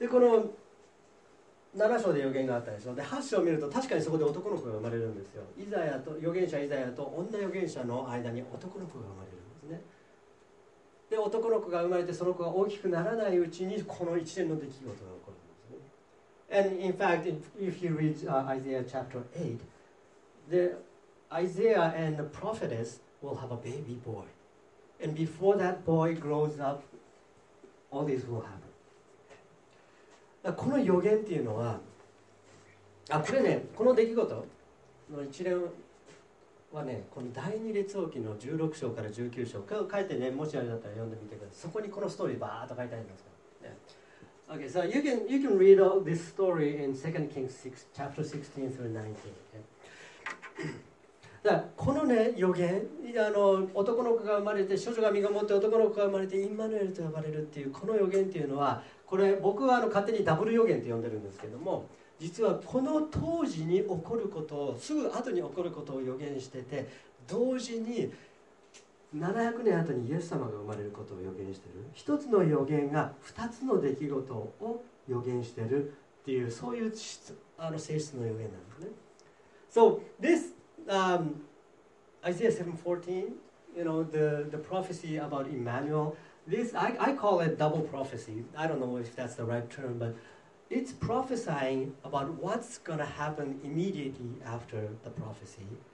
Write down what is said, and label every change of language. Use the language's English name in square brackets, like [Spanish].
[Japanese] でこの7章で予言があったでしょ。で8章を見ると確かにそこで男の子が生まれるんですよ。イザヤと預言者イザヤと女預言者の間に男の子が生まれるんですね。で男の子が生まれてその子が大きくならないうちにこの一連の出来事が起こるんですね。 [English] And in fact, if you read Isaiah chapter 8, the Isaiah and the prophetess will have a baby boy. And before that boy grows up, all this will happen. [Japanese] この予言っていうのは、あ、これね、この出来事の一連はね、この第二列王記の16章から19章、これを書いてね、もしあれだったら読んでみてください。そこにこのストーリーバーっと書いてありますから。 [English] Yeah. Okay, so you can read all this story in 2 Kings 6, chapter 16 through 19. Okay. [Japanese] だからこのね、予言、男の子が生まれて、少女が身ごもって男の子が生まれて、インマヌエルと呼ばれるっていう、この予言っていうのは、これ僕は勝手にダブル予言と呼んでるんですけども、実はこの当時に起こることを、すぐ後に起こることを予言してて、同時に700年後にイエス様が生まれることを予言してる。一つの予言が二つの出来事を予言してるっていう、そういう質性質の予言なんですね。 [English] So this Isaiah 7:14, you know, the prophecy about Emmanuel. This, I call it double prophecy. I don't know if that's the right term, but it's prophesying about what's going to happen immediately after the prophecy.